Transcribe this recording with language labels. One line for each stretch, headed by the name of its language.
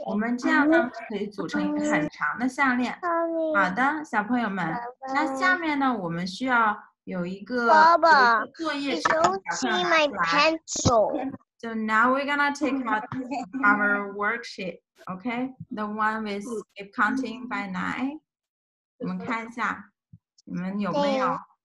Chinese: 我们这样呢，可以组成一个很长的项链。好的，小朋友们，那下面呢，我们需要。有一个爸爸作业是要拿出来。
English: So now we're gonna take out our worksheet, okay? The one with keep counting by nine.
Chinese: 我们看一下，你们有没有？